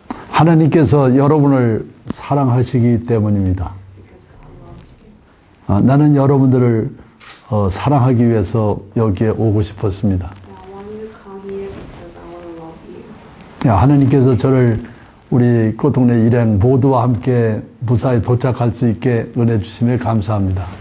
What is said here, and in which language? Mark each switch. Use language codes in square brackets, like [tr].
[ko] 하나님께서 여러분을 사랑하시기 때문입니다. [en] Because I love you. [ko] 나는 여러분들을 사랑하기 위해서 여기에 오고 싶었습니다. [en] I want to come here because I want to love you. [ko] 하나님께서 저를 우리 꽃동네 일행 모두와 함께 무사히 도착할 수 있게 은혜 주심에 감사합니다.